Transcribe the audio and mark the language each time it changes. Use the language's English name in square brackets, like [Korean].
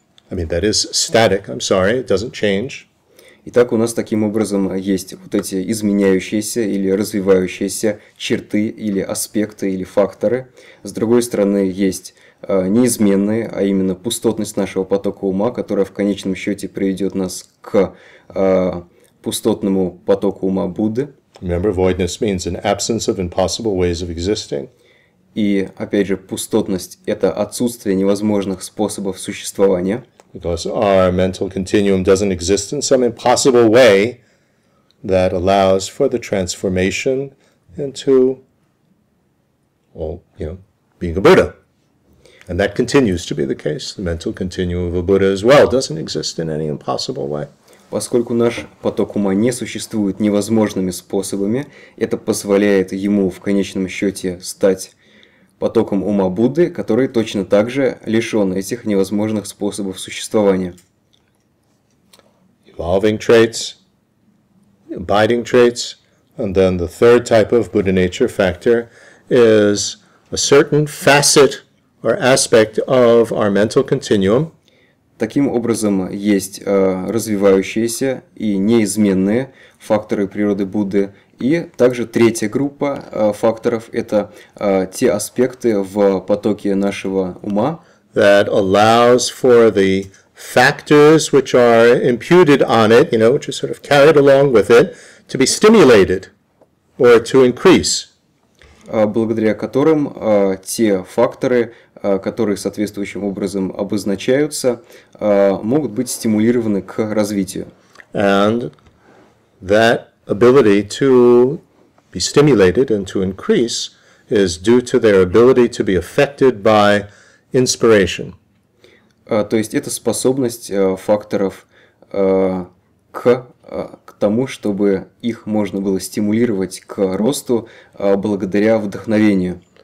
[English] I mean, that is static, I'm sorry, it doesn't change. [Russian] Итак, у нас таким образом есть вот эти изменяющиеся или развивающиеся черты или аспекты или факторы. С другой стороны, есть неизменные, а именно пустотность нашего потока ума, которая в конечном счете приведет нас к пустотному потоку ума Будды. [English] Remember, voidness means an absence of impossible ways of existing. [Russian] И опять же, пустотность – это отсутствие невозможных способов существования. [English] Because our mental continuum doesn't exist in some impossible way that allows for the transformation into, being a Buddha. And that continues to be the case. The mental continuum of a Buddha as well doesn't exist in any impossible way. [Russian] Поскольку наш поток ума не существует невозможными способами, это позволяет ему в конечном счете стать потоком ума Будды, который точно так же лишен этих невозможных способов существования. [English] Evolving traits, abiding traits, and then the third type of Buddha nature factor is a certain facet or aspect of our mental continuum. [Russian] Таким образом, есть развивающиеся и неизменные факторы природы Будды. И также третья группа факторов – это те аспекты в потоке нашего ума, [English] that allows for the factors which are imputed on it, you know, which are sort of carried along with it, to be stimulated or to increase. [Russian] Благодаря которым те факторы, которые соответствующим образом обозначаются, могут быть стимулированы к развитию. [English] And that ability to be stimulated and to increase is due to their ability to be affected by inspiration. [Russian] То есть это способность факторов к тому, чтобы их можно было стимулировать к росту благодаря вдохновению.